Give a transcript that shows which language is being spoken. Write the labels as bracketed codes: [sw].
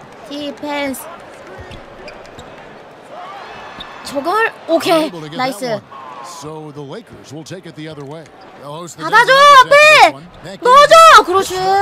[ko] 디펜스 저걸 오케이 나이스. [en] So the Lakers will take it the other way. [ko] 받아줘 앞에 넣어줘 그렇지.